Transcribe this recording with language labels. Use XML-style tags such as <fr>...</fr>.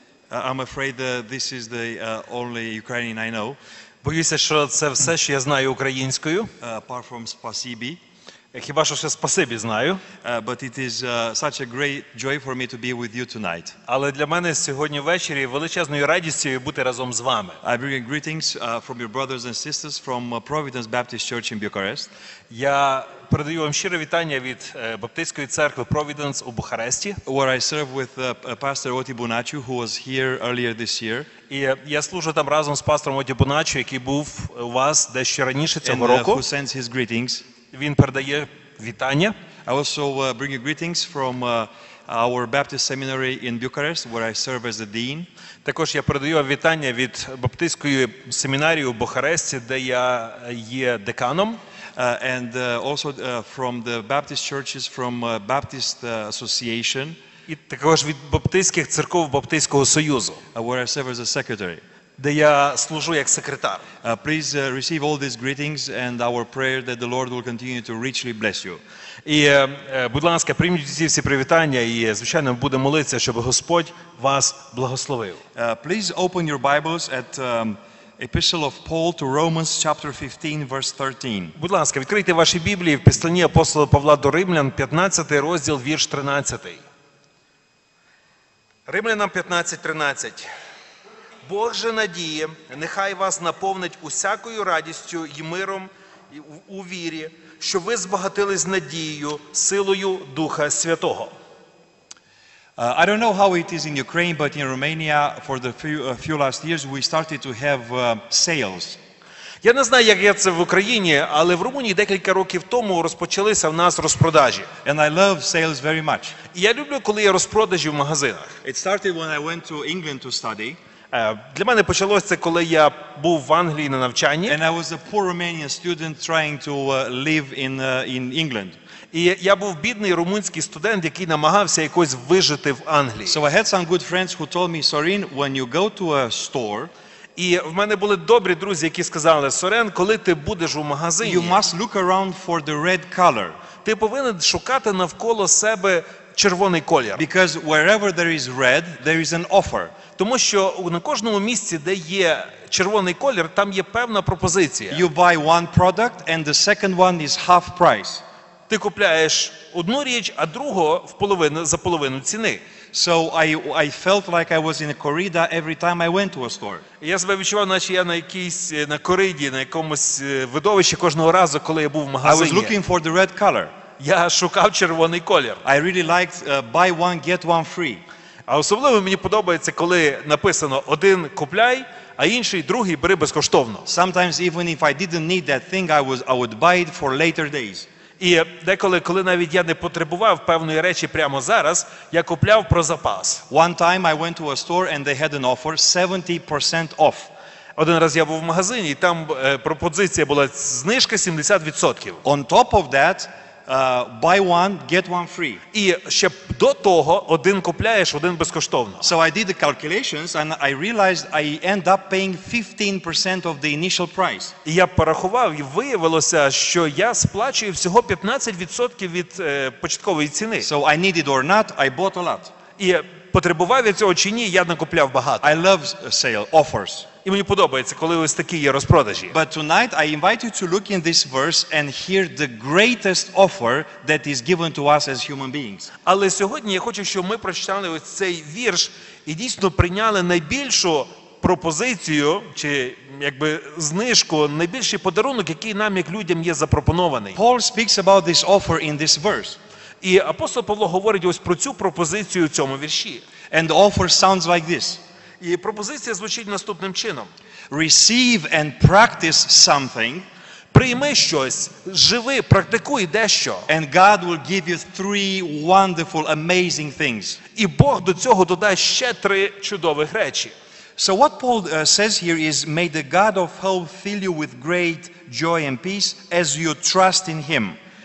<en>I'm afraid that this is the only Ukrainian I know.</en> <uk>Боюся, що це все, що я знаю українською.</uk> <en>Apart from спасибі.</en> <uk>Хіба що ще спасибі знаю.</uk> <en>But it is such a great joy for me to be with you tonight.</en> <uk>Але для мене сьогодні ввечері величезною радістю бути разом з вами.</uk> <en>I bring greetings from your brothers and sisters from Providence Baptist Church in Bucharest.</en> <uk>Я передаю вам щире вітання від Баптистської церкви Providence у Бухаресті.</uk> <en>Where I serve with Pastor Oti Bunaciu, who was here earlier this year.</en> <uk>І я служу там разом з пастором Оті Буначчо, який був у вас дещо раніше цього року.</uk> <en>Who sends his greetings.</en> <uk>Він передає вітання.</uk> <en>I also bring you greetings from our Baptist seminary in Bucharest, where I serve as a dean.</en> <uk>Також я передаю вітання від Баптистської семінарії у Бухаресті, де я є деканом.</uk> <en>And also from the Baptist churches, from Baptist Association.</en> <uk>І також від Баптистських церков Баптистського Союзу.</uk> <en>Where I serve as a secretary.</en> <uk>Де я служу як секретар.</uk> <en>Please receive all these greetings and our prayer that the Lord will continue to richly bless you.</en> <uk>І будь ласка, прийміть всі привітання і звичайно, будемо молитися, щоб Господь вас благословив.</uk> <en>Please open your Bibles at Epistle of Paul to Romans chapter 15 verse 13.</en> <uk>Будь ласка, відкрийте ваші Біблії в Посланні апостола Павла до Римлян, 15 розділ, вірш 13. Римлянам 15:13. Бог же надії, нехай вас наповнить усякою радістю і миром у вірі, що ви збагатились надією, силою Духа Святого.</uk> <en>I don't know how it is in Ukraine, but in Romania for the few last years we started to have sales.</en> <uk>Я не знаю, як це в Україні, але в Румунії декілька років тому розпочалися в нас розпродажі.</uk> <en>And I love sales very much.</en> <uk>І я люблю, коли є розпродажі в магазинах.</uk> <en>It started when I went to England to study.</en> <uk>Для мене почалось це, коли я був в Англії на навчанні.</uk> <en>And I was a poor Romanian student trying to live in England.</en> <uk>І я був бідний румунський студент, який намагався якось вижити в Англії.</uk> <en>So I had some good friends who told me, Sorin, when you go to a store,</en> <uk>і в мене були добрі друзі, які сказали, Сорен, коли ти будеш у магазині,</uk> <en>you must look around for the red color.</en> <uk>Ти повинен шукати навколо себе червоний колір.</uk> <en>Because wherever there is red, there is an offer.</en> <uk>Тому що на кожному місці, де є червоний колір, там є певна пропозиція.</uk> <en>You buy one product and the second one is half price.</en> <uk>Ти купляєш одну річ, а другу в половину, за половину ціни.</uk> <en>So I felt like I was in a corrida every time I went to a store.</en> <uk>Я себе відчував, наче я на якійсь, на кориді, на якомусь видовищі кожного разу, коли я був в магазині.</uk> <en>I was looking for the red color.</en> <uk>Я шукав червоний колір.</uk> <en>I really liked buy one, get one free.</en> <uk>А особливо мені подобається, коли написано один купляй, а інший другий бери безкоштовно.</uk> <en>Sometimes even if I didn't need that thing, I would buy it for later days.</en> <uk>І деколи, коли навіть я не потребував певної речі прямо зараз, я купляв про запас.</uk> <en>One time I went to a store and they had an offer 70% off.</en> <uk>Один раз я був в магазині, і там пропозиція була знижка 70%.</uk> <en>On top of that, buy one, get one free.</en> <uk>І ще до того один купляєш, один безкоштовно.</uk> <en>So I did the calculations and I realized I end up paying 15% of the initial price.</en> <uk>І я порахував і виявилося, що я сплачую всього 15% від початкової ціни.</uk> <en>So I needed or not, I bought a lot.</en> <uk>І потребував я цього чи ні, я накупляв багато.</uk> <en>I love sale offers.</en> <uk>І мені подобається, коли ось такі є розпродажі.</uk> <en>But tonight I invite you to look in this verse and hear the greatest offer that is given to us as human beings.</en> <uk>Але сьогодні я хочу, щоб ми прочитали ось цей вірш і дійсно прийняли найбільшу пропозицію чи якби знижку, найбільший подарунок, який нам як людям є запропонований.</uk> <en>Paul speaks about this offer in this verse.</en> <uk>І апостол Павло говорить ось про цю пропозицію в цьому вірші.</uk> <en>And the offer sounds like this.</en> <uk>І пропозиція звучить наступним чином.</uk> <en>Receive and practice something.</en> <uk>Прийми щось, живи, практикуй дещо.</uk> <en>And God will give you three wonderful, amazing things.</en> <uk>І Бог до цього додасть ще три чудових речі.</uk> <en>So what Paul says here is, may the God of hope fill you with great joy and peace as you trust in Him.</en>